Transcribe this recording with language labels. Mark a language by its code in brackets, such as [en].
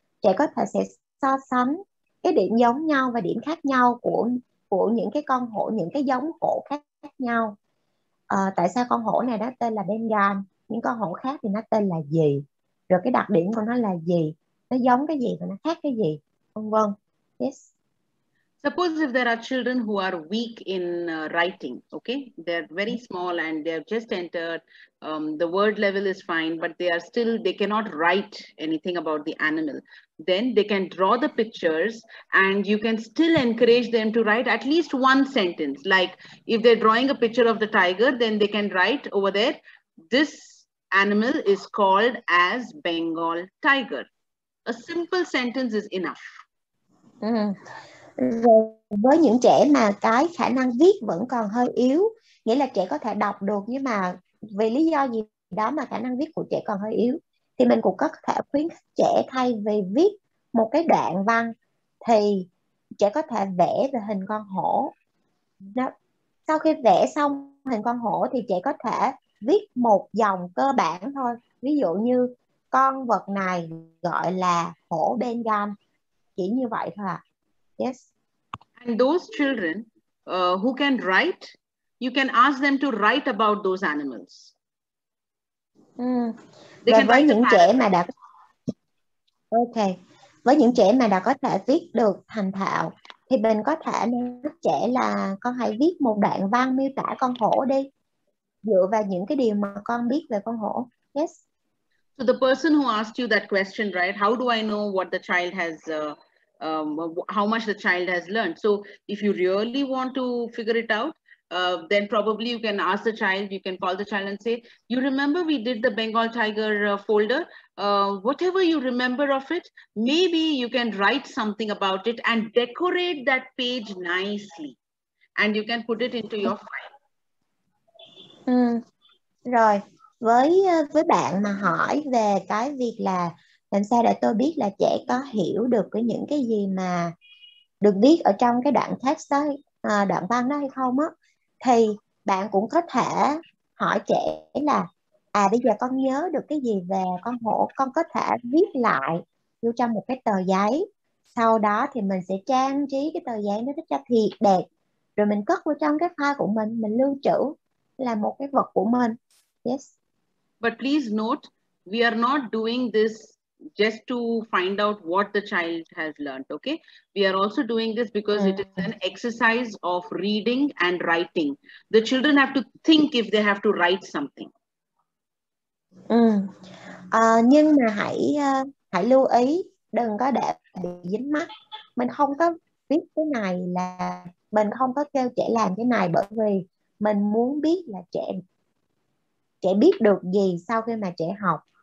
[vi] Trẻ có thể sẽ so sánh cái điểm giống nhau và điểm khác nhau của những cái con hổ, những cái giống hổ khác nhau. Tại sao con hổ này nó tên là Bengal, những con hổ khác thì nó tên là gì, rồi cái đặc điểm của nó là gì, nó giống cái gì và nó khác cái gì, vân vân. [en] Yes. Suppose if there are children who are weak in writing, okay, they're very small and they've just entered, the word level is fine, but they cannot write anything about the animal, then they can draw the pictures and you can still encourage them to write at least one sentence. Like if they're drawing a picture of the tiger, then they can write over there, this animal is called as Bengal tiger. A simple sentence is enough. [vi] Rồi với những trẻ mà cái khả năng viết vẫn còn hơi yếu, nghĩa là trẻ có thể đọc được nhưng mà vì lý do gì đó mà khả năng viết của trẻ còn hơi yếu, thì mình cũng có thể khuyến khích trẻ thay vì viết một cái đoạn văn thì trẻ có thể vẽ về hình con hổ. Đó. Sau khi vẽ xong hình con hổ thì trẻ có thể viết một dòng cơ bản thôi. Ví dụ như con vật này gọi là hổ Bengal. Chỉ như vậy thôi à. Yes. [en] And those children who can write, you can ask them to write about those animals. [vi] Và với những trẻ mà đã với những trẻ mà đã có thể viết được thành thạo thì mình có thể nói trẻ là con hãy viết một đoạn văn miêu tả con hổ đi dựa vào những cái điều mà con biết về con hổ. [en] Yes. So the person who asked you that question, right? How do I know what the child has how much the child has learned? So if you really want to figure it out, then probably you can ask the child, you can call the child and say, you remember we did the Bengal tiger folder? Whatever you remember of it, maybe you can write something about it and decorate that page nicely. And you can put it into your file. [vi] Rồi, với bạn mà hỏi về cái việc là làm sao để tôi biết là trẻ có hiểu được cái những cái gì mà được viết ở trong cái đoạn text đó, đoạn văn đó hay không á, thì bạn cũng có thể hỏi trẻ là à bây giờ con nhớ được cái gì về con hổ, con có thể viết lại vô trong một cái tờ giấy. Sau đó thì mình sẽ trang trí cái tờ giấy nó cho thiệt đẹp. Rồi mình cất vô trong cái file của mình, mình lưu trữ là một cái vật của mình. [en] Yes. But please note, we are not doing this just to find out what the child has learned, okay? We are also doing this because it is an exercise of reading and writing. The children have to think if they have to write something. [vi] Nhưng mà hãy hãy lưu ý đừng có để bị dính mắc. Mình không có viết cái này là mình không có kêu trẻ làm cái này bởi vì mình muốn biết là trẻ biết được gì sau khi mà trẻ học.